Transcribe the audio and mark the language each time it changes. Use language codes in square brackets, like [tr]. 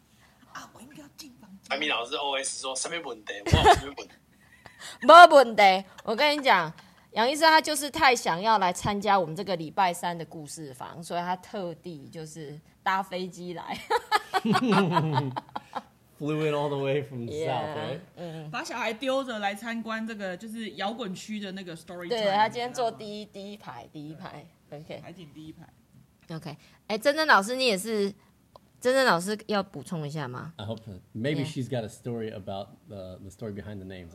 [zh] 杨医师你很厉害，你马上就有抓出来。你有？我有听到声，无看到人头啊，这都是有问题。啊，我应该进房间。艾米老师 OS 说什么问题？我什么问题？没问题。我跟你讲，杨医师他就是太想要来参加我们这个礼拜三的故事坊，所以他特地就是搭飞机来。 [en] Flew in all the way from the south, right? [zh] 把小孩丢着来参观这个就是摇滚区的那个 [en] story time. [zh] 对，他今天坐第一排，第一排。OK. 海景第一排。OK. 哎，真真老师，你也是，真真老师要补充一下吗？ [en] I hope so. Maybe she's got a story about the story behind the names.